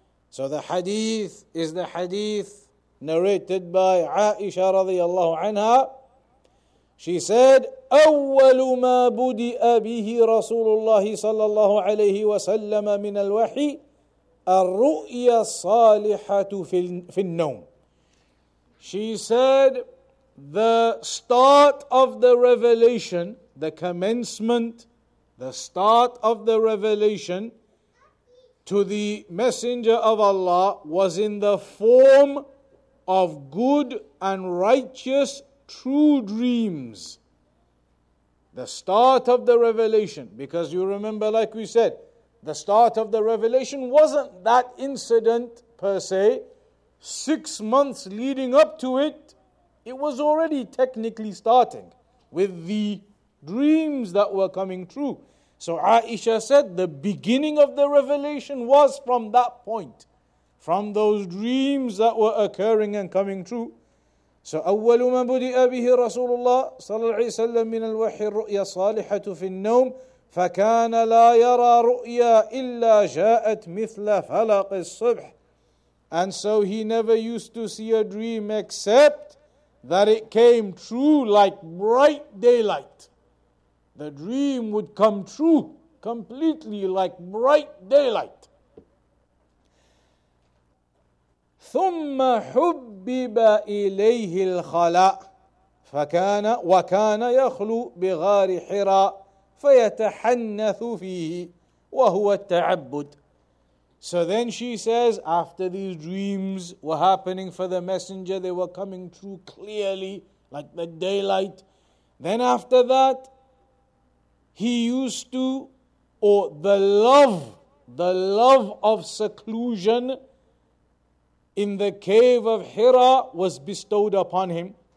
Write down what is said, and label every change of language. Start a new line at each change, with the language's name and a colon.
English: So the hadith is the hadith narrated by Aisha
Arabic: رضي الله عنها.
English: She said,
Arabic: أول ما بدأ به رسول الله صلى الله عليه وسلم من الوحي الرؤيَ الصَّالِحَةُ فِي النَّوْمِ.
English: She said, the start of the revelation, the commencement, the start of the revelation to the Messenger of Allah was in the form of good and righteous true dreams. The start of the revelation, because you remember, like we said, the start of the revelation wasn't that incident per se. 6 months leading up to it, it was already technically starting with the dreams that were coming true. So Aisha said the beginning of the revelation was from that point, from those dreams that were occurring and coming true.
Arabic: So أول ما بدأ به رسول الله صلى الله عليه وسلم من الوحي الرؤيا الصالحة في النوم فكان لا يرى رؤيا إلا جاءت مثل فلق الصبح.
English: And so he never used to see a dream except that it came true like bright daylight. The dream would come true completely like bright daylight.
Arabic: ثم حبب إليه الخلاء فكان وكان يخلو بغار حراء فَيَتَحَنَّثُ فِيهِ وَهُوَ التَّعَبُّدِ.
English: So then she says, after these dreams were happening for the messenger, they were coming true clearly, like the daylight. Then after that, he used to, or the love of seclusion in the cave of Hira was bestowed upon him.